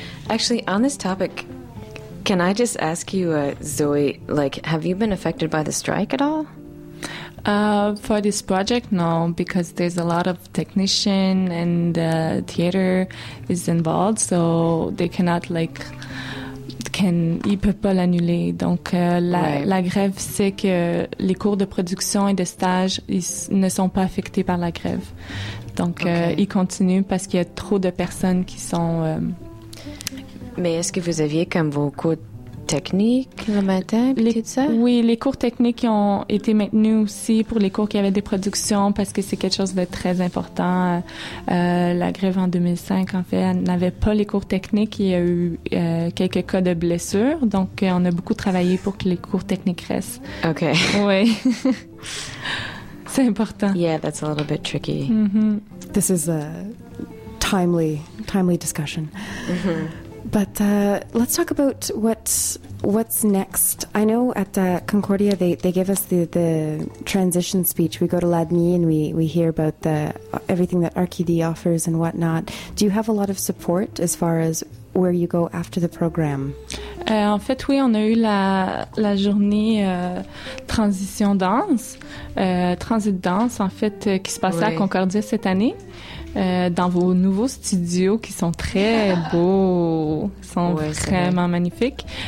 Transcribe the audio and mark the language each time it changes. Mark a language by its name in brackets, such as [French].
[English] Actually, on this topic, can I just ask you, Zoe, like, have you been affected by the strike at all? For this project, no, because there's a lot of technician and theater is involved, so they cannot, like, [French] ils peuvent pas l'annuler. Donc, la grève, c'est que les cours de production et de stage, ils ne sont pas affectés par la grève. Donc, ils continuent parce qu'il y a trop de personnes qui sont... Mais est-ce que vous aviez comme vos cours techniques le matin, petite sœur? Oui, les cours techniques ont été maintenus aussi pour les cours qui avaient des productions parce que c'est quelque chose de très important. La grève en 2005, en fait, elle n'avait pas les cours techniques. Il y a eu quelques cas de blessures. Donc, on a beaucoup travaillé pour que les cours techniques restent. OK. Oui. C'est important. [English] Yeah, that's a little bit tricky. This is a timely discussion. Mm-hmm. But let's talk about what's next. I know at Concordia they give us the transition speech. We go to L'ADMI and we hear about the everything that RQD offers and whatnot. Do you have a lot of support as far as where you go after the program? [French] En fait, oui, on a eu la journée transition danse, transit danse, en fait, qui se passait oui. à Concordia cette année. Dans vos nouveaux studios qui sont très beaux, sont ouais, vraiment vrai. Magnifiques.